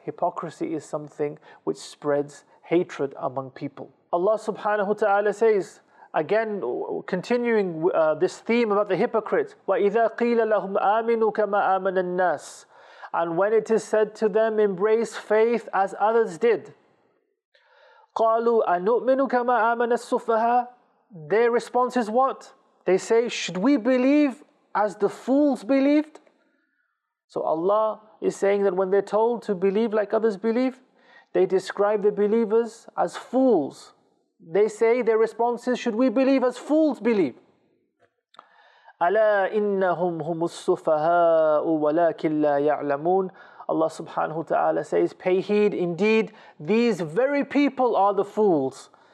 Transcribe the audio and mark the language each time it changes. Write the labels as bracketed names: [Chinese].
[English] Hypocrisy is something which spreads hatred among people. Allah subhanahu wa ta'ala says, again, continuing this theme about the hypocrites, [Arabic] وَإِذَا قِيلَ لَهُمْ آمِنُوا كَمَا آمَنَ النَّاسِ [English] And when it is said to them, embrace faith as others did. [Arabic] قَالُوا أَنُؤْمِنُ كَمَا آمَنَ السُّفَهَا [English] Their response is what? They say, should we believe as the fools believed? So Allah is saying that when they're told to believe like others believe, they describe the believers as fools. They say, their response is, should we believe as fools believe? [Arabic] أَلَا إِنَّهُمْ هُمُ السُّفَهَاءُ وَلَكِنْ لَا يَعْلَمُونَ [English] Allah subhanahu wa ta'ala says, pay heed, indeed, these very people are the fools.